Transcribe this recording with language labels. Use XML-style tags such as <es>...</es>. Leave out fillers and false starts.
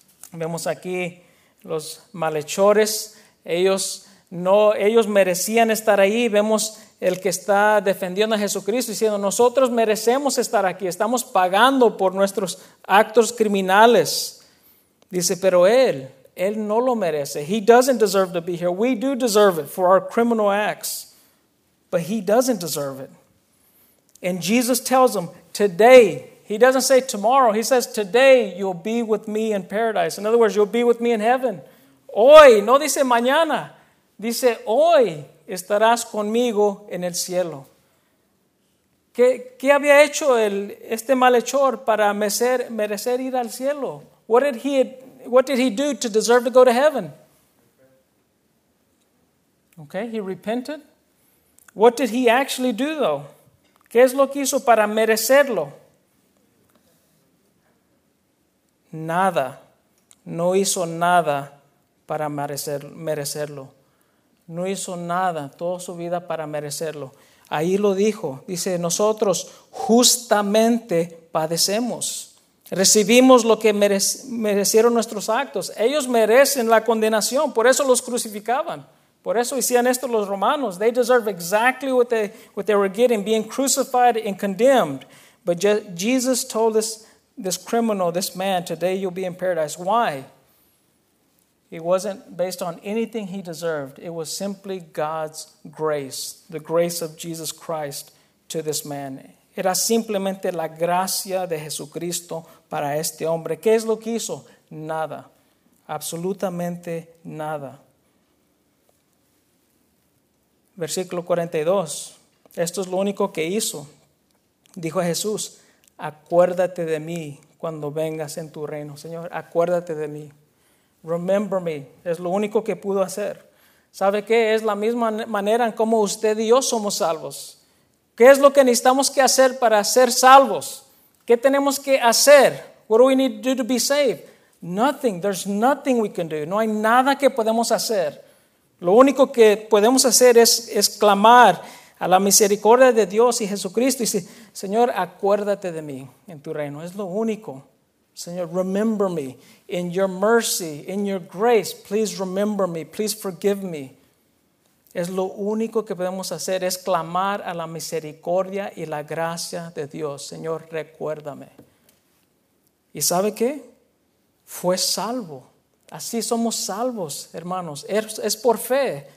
<es>Vemos aquí los malhechores. Ellos merecían estar ahí. Vemos el que está defendiendo a Jesucristo diciendo, nosotros merecemos estar aquí. Estamos pagando por nuestros actos criminales. Dice, pero él no lo merece.</es> <en>He doesn't deserve to be here. We do deserve it for our criminal acts. But he doesn't deserve it. And Jesus tells him, today, he doesn't say tomorrow, he says, today you'll be with me in paradise. In other words, you'll be with me in heaven.</en> <es>Hoy, no dice mañana, dice hoy estarás conmigo en el cielo. ¿Qué había hecho este malhechor para merecer ir al cielo?</es> <en>What did he do to deserve to go to heaven? Okay, he repented. What did he actually do though?</en> <es>¿Qué es lo que hizo para merecerlo? Nada. No hizo nada para merecerlo. No hizo nada toda su vida para merecerlo. Ahí lo dijo. Dice, nosotros justamente padecemos. Recibimos lo que merecieron nuestros actos. Ellos merecen la condenación. Por eso los crucificaban. Por eso hicieron esto los romanos.</es> <en>They deserve exactly what they were getting, being crucified and condemned. But Jesus told this criminal, this man, today you'll be in paradise. Why? It wasn't based on anything he deserved. It was simply God's grace, the grace of Jesus Christ to this man.</en> <es>Era simplemente la gracia de Jesucristo para este hombre. ¿Qué es lo que hizo? Nada. Absolutamente nada. Versículo 42. Esto es lo único que hizo. Dijo a Jesús, acuérdate de mí cuando vengas en tu reino. Señor, acuérdate de mí.</es> <en>Remember me.</en> <es>Es lo único que pudo hacer. ¿Sabe qué? Es la misma manera en cómo usted y yo somos salvos. ¿Qué es lo que necesitamos que hacer para ser salvos? ¿Qué tenemos que hacer?</es> <en>What do we need to do to be saved? Nothing. There's nothing we can do.</en> <es>No hay nada que podemos hacer. Lo único que podemos hacer es clamar a la misericordia de Dios y Jesucristo. Y decir, Señor, acuérdate de mí en tu reino. Es lo único. Señor,</es> <en>remember me. In your mercy, in your grace, please remember me. Please forgive me.</en> <es>Es lo único que podemos hacer es clamar a la misericordia y la gracia de Dios. Señor, recuérdame. ¿Y sabe qué? Fue salvo. Así somos salvos, hermanos. Es por fe.</es>